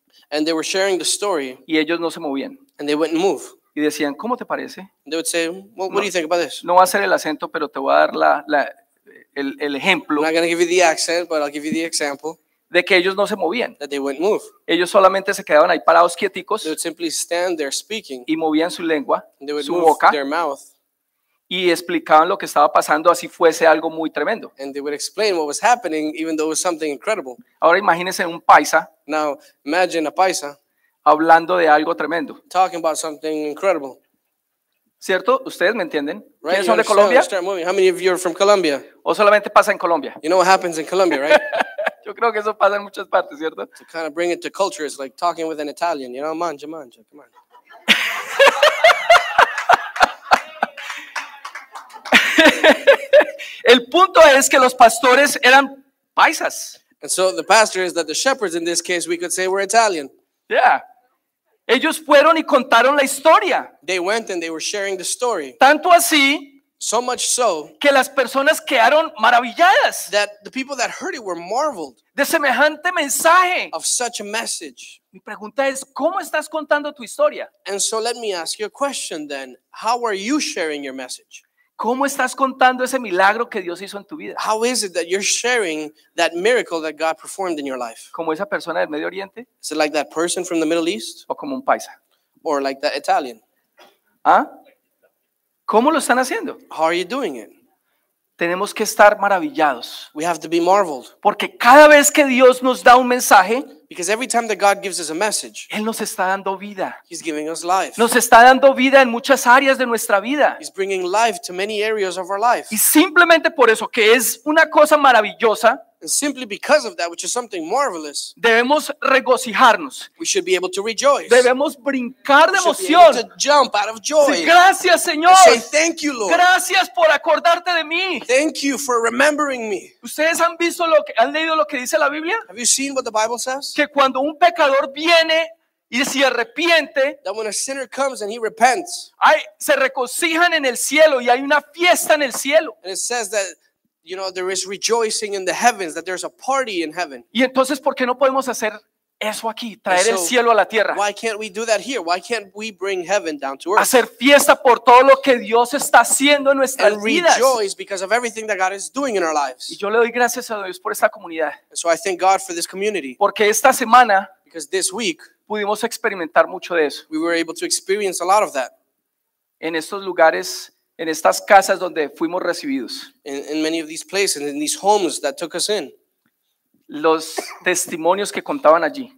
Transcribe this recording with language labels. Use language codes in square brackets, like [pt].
[en] And they were sharing the story. [es] Y ellos no se movían. [en] And they wouldn't move. [es] Y decían, ¿cómo te parece? [en] They would say, well, what do you think about this? [es] No va a ser el acento, pero te voy a dar la, la, el ejemplo. [en] I'm not going to give you the accent, but I'll give you the example. [es] De que ellos no se movían. [en] That they wouldn't move. [es] Ellos solamente se quedaban ahí parados quieticos. [en] They would simply stand there speaking. [es] Y movían su lengua, [en] they would [es] su [en] move [es] boca. [en] Their mouth. [es] Y explicaban lo que estaba pasando así fuese algo muy tremendo. [en] And they would explain what was happening even though it was something incredible. [es] Ahora imagínense un paisa. [en] Now imagine a paisa. [es] Hablando de algo tremendo. [en] Talking about something incredible. [es] ¿Cierto? ¿Ustedes me entienden? [en] Right, [es] ¿quiénes son de Colombia? [en] How many of you are from Colombia? [es] ¿O solamente pasa en Colombia? [en] You know what happens in Colombia, right? [es] Yo creo que eso pasa en muchas partes, ¿cierto? [en] To kind of bring it to culture, it's like talking with an Italian, you know, [it] mangia, mangia, [en] come on. [es] El punto es que los pastores eran paisas. [en] And so the pastor is that the shepherds in this case, we could say were Italian. Yeah. [es] Ellos fueron y contaron la historia. [en] They went and they were sharing the story. [es] Tanto así, [en] so much so, [es] que las personas quedaron maravilladas. [en] That the people that heard it were marveled. [es] De semejante mensaje. [en] Of such a message. [es] Mi pregunta es, ¿cómo estás contando tu historia? [en] And so let me ask you a question then. How are you sharing your message? [es] ¿Cómo estás contando ese milagro que Dios hizo en tu vida? [en] How is it that you're sharing that miracle that God performed in your life? [es] ¿Como esa persona del Medio Oriente? [en] Is it like that person from the Middle East? [es] ¿O como un paisa? [en] Or like that Italian? [es] ¿Ah? ¿Cómo lo están haciendo? [en] How are you doing it? [es] Tenemos que estar maravillados. [en] We have to be marveled. [es] Porque cada vez que Dios nos da un mensaje, [en] because every time that God gives us a message, [es] Él nos está dando vida. [en] He's giving us life. [es] Nos está dando vida en muchas áreas de nuestra vida. [en] He's bringing life to many areas of our life. [es] Y simplemente por eso, que es una cosa maravillosa, [en] and simply because of that, which is something marvelous, [es] debemos regocijarnos. [en] We should be able to rejoice. [es] Debemos brincar de emoción. [en] We should be able to jump out of joy. [es] Sí, gracias, Señor. [en] Say thank you, Lord. [es] Gracias por acordarte de mí. [en] Thank you for remembering me. [es] ¿Ustedes han visto lo que, han leído lo que dice la Biblia? [en] Have you seen what the Bible says? [es] Que cuando un pecador viene y se arrepiente, [en] that when a sinner comes and he repents, [es] hay, se regocijan en el cielo y hay una fiesta en el cielo. [en] And it says that, you know, there is rejoicing in the heavens, that there's a party in heaven. [es] Y entonces, ¿por qué no podemos hacer eso aquí, traer el cielo a la tierra? [en] Why can't we do that here? Why can't we bring heaven down to earth? [es] Hacer fiesta por todo lo que Dios está haciendo en nuestras [en] and [es] vidas. [en] And rejoice because of everything that God is doing in our lives. [es] Y yo le doy gracias a Dios por esta comunidad. [en] And so I thank God for this community. [es] Porque esta semana, [en] because this week, [es] pudimos experimentar mucho de eso. [en] We were able to experience a lot of that. [es] En estos lugares, en estas casas donde fuimos recibidos. [en] In many of these places, in these homes that took us in. [es] Los testimonios que contaban allí.